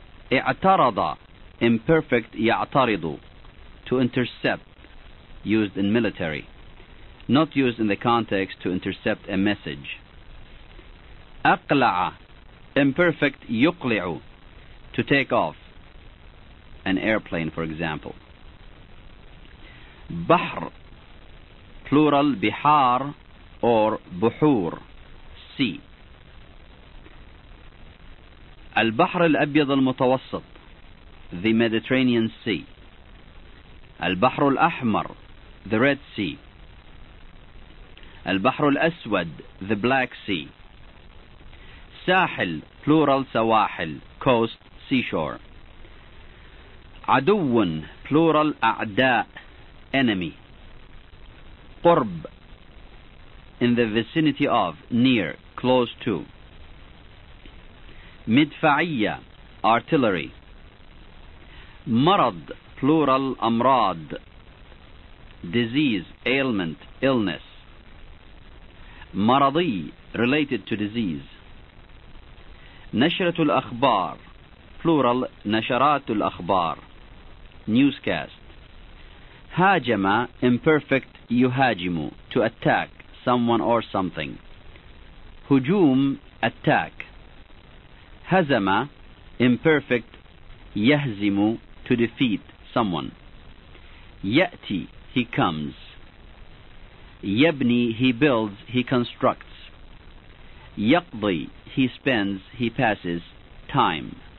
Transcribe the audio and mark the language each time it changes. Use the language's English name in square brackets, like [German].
[English] اعترض, imperfect يعترض, to intercept. Used in military, not used in the context to intercept a message. أقلع, imperfect يقلع, to take off an airplane, for example. بحر, plural بحار or بحور, sea. [Arabic] البحر الأبيض المتوسط, [English] the Mediterranean Sea. [Arabic] البحر الأحمر, [English] the Red Sea. [Arabic] البحر الأسود, [English] the Black Sea. ساحل, plural سواحل, coast, seashore. عدو, plural أعداء, enemy. قرب, in the vicinity of, near, close to. مدفعية, artillery. مرض, plural أمراض, disease, ailment, illness. مرضي, related to disease. [Arabic] نشرة الأخبار, plural نشرات الأخبار, newscast. [English] هاجم, imperfect يهاجم, to attack someone or something. هجوم, attack. هزم, imperfect يهزم, to defeat someone. يأتي, he comes. يبني, he builds, he constructs. يقضي, he spends, he passes time.